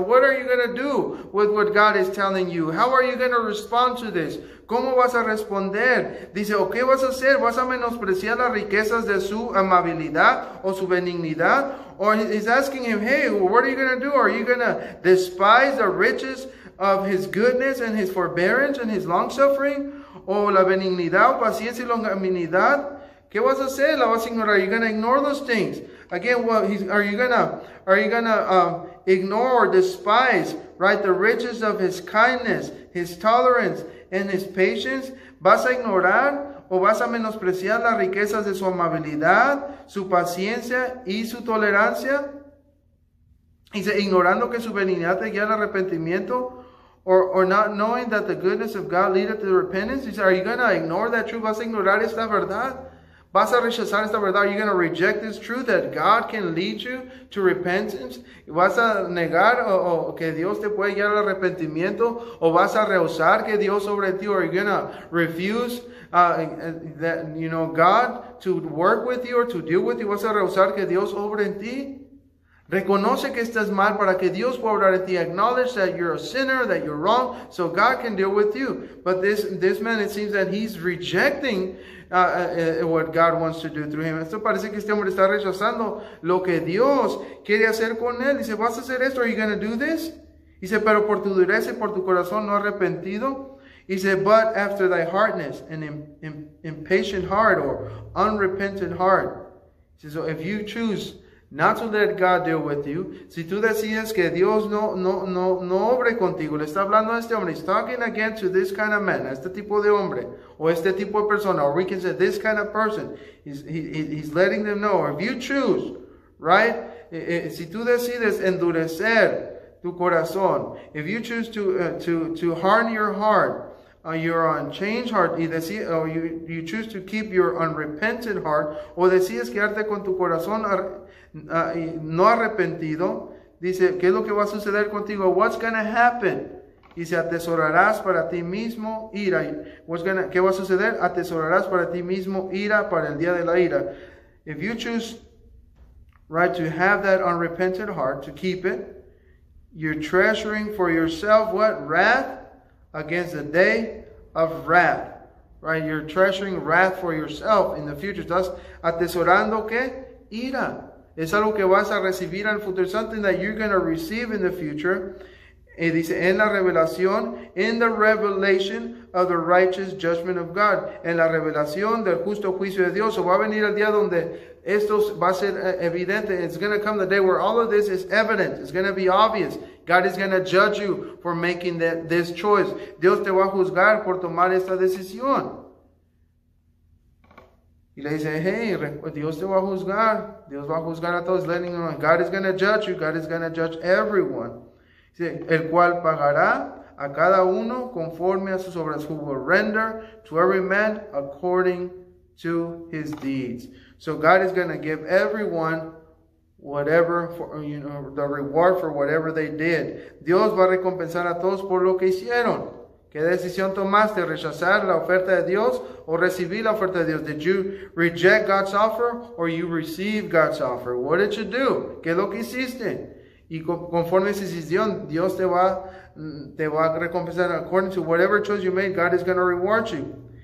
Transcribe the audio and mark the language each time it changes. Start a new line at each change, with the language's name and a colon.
English: What are you going to do with what God is telling you? How are you going to respond to this?
Spanish: ¿Cómo vas a responder? Dice, ¿o qué vas a hacer? ¿Vas a menospreciar las riquezas de su amabilidad o su benignidad?
English: Or he's asking him, hey, what are you going to do? Are you going to despise the riches of his goodness and his forbearance and his long-suffering?
Spanish: O la benignidad, paciencia y longanimidad. ¿Qué vas a hacer? ¿La vas a ignorar?
English: Are you going to ignore those things? Again, well, are you going to ignore or despise, right, the riches of his kindness, his tolerance, and his patience?
Spanish: ¿Vas a ignorar o vas a menospreciar las riquezas de su amabilidad, su paciencia y su tolerancia? Dice, ignorando que su benignidad te guía al arrepentimiento.
English: Or not knowing that the goodness of God leadeth to repentance. He said, are you going to ignore that truth?
Spanish: ¿Vas a ignorar esta verdad? ¿Vas a rechazar esta verdad?
English: Are you going to reject this truth that God can lead you to repentance?
Spanish: ¿Vas a negar o que Dios te puede guiar al arrepentimiento? ¿O vas a rehusar que Dios sobre ti?
English: Or are you going to refuse that, you know, God to work with you or to deal with you?
Spanish: ¿Vas a rehusar que Dios sobre ti? Reconoce que estás mal para que Dios pueda orar en ti.
English: Acknowledge that you're a sinner, that you're wrong, so God can deal with you. But this man, it seems that he's rejecting what God wants to do through him.
Spanish: Esto parece que este hombre está rechazando lo que Dios quiere hacer con él. Dice, ¿vas a hacer esto?
English: Are you going to do this?
Spanish: Dice, pero por tu dureza y por tu corazón no arrepentido.
English: Dice, but after thy hardness and impatient heart or unrepentant heart. Dice, so if you choose not to let God deal with you.
Spanish: Si tú decides que Dios no obre contigo. Le está hablando a este hombre.
English: He's talking again to this kind of man.
Spanish: A este tipo de hombre. O este tipo de persona.
English: Or we can say this kind of person. He's letting them know. Or if you choose, right?
Spanish: Si tú decides endurecer tu corazón.
English: If you choose to harden your heart. Your unchanged heart, you choose to keep your unrepentant heart,
Spanish: o decides quedarte con tu corazón no arrepentido, dice, ¿qué es lo que va a suceder contigo?
English: What's going to happen?
Spanish: Dice, atesorarás para ti mismo ira. ¿Qué va a suceder? Atesorarás para ti mismo ira para el día de la ira.
English: If you choose, right, to have that unrepentant heart, to keep it, you're treasuring for yourself, what? Wrath? Against the day of wrath, right? You're treasuring wrath for yourself in the future.
Spanish: Estás atesorando qué? Ira. Es algo que vas a recibir en el futuro.
English: Something that you're going to receive in the future. Y dice, in the revelation of the righteous judgment of God.
Spanish: En la revelación del justo juicio de Dios. O va a venir el día donde esto va a ser evidente.
English: It's going to come the day where all of this is evident. It's going to be obvious. God is going to judge you for making this choice.
Spanish: Dios te va a juzgar por tomar esta decisión. Y le dice, hey, Dios te va a juzgar. Dios va a juzgar a todos.
English: Letting them know. God is going to judge you. God is going to judge everyone.
Spanish: Sí, el cual pagará a cada uno conforme a sus obras.
English: Who will render to every man according to his deeds. So God is going to give everyone whatever, for, you know, the reward for whatever they did.
Spanish: Dios va a recompensar a todos por lo que hicieron. ¿Qué decisión tomaste? ¿Rechazar la oferta de Dios o recibir la oferta de Dios?
English: Did you reject God's offer or you receive God's offer? What did you do?
Spanish: ¿Qué es lo que hiciste? Y conforme a esa decisión, Dios te va a recompensar.
English: According to whatever choice you made, God is going to reward you.